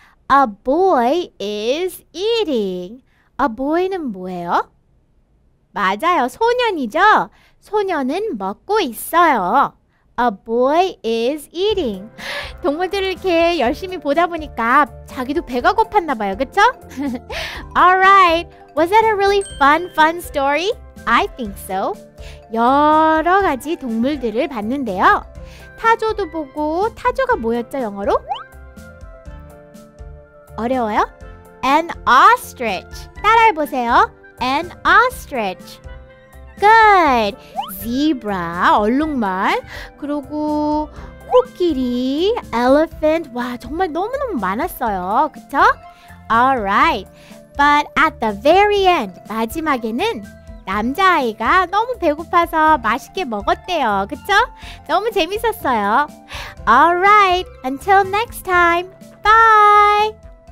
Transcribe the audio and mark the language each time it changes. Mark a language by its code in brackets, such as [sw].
[en] A boy is eating. A boy는 [ko] 뭐예요? 맞아요. 소년이죠? 소년은 먹고 있어요. [en] A boy is eating. [ko] 동물들을 이렇게 열심히 보다 보니까 자기도 배가 고팠나 봐요. 그쵸? [en] Alright. Was that a really fun story? I think so. [ko] 여러 가지 동물들을 봤는데요. 타조도 보고 타조가 뭐였죠, 영어로? 어려워요? [en] An ostrich. [ko] 따라해보세요. [en] An ostrich. Good. Zebra, 얼룩말. [ko] 그리고 코끼리, elephant. 와, 정말 너무너무 많았어요. 그쵸? [en] Alright. But at the very end, [ko] 마지막에는 남자아이가 너무 배고파서 맛있게 먹었대요. 그쵸? 너무 재밌었어요. [en] Alright. Until next time. Bye.